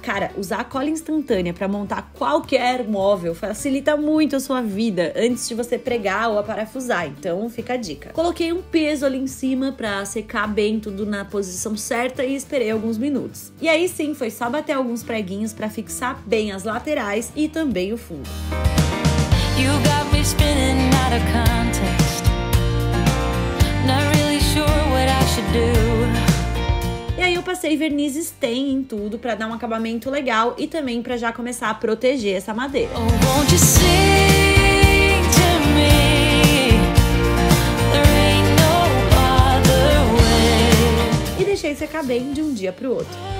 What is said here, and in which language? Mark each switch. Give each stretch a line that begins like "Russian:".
Portuguese: Cara, usar cola instantânea pra montar qualquer móvel facilita muito a sua vida antes de você pregar ou aparafusar, então fica a dica. Coloquei um peso ali em cima pra secar bem tudo na posição certa e esperei alguns minutos. E aí sim, foi só bater alguns preguinhos pra fixar bem as laterais e também o fundo.
English: You got me spinning out of context. Not really sure what I should do.
Portuguese: E aí eu passei verniz stain em tudo pra dar um acabamento legal e também pra já começar a proteger essa madeira.
English: Oh, won't you sing to me? There ain't no other way.
Portuguese: E deixei secar bem de um dia pro outro.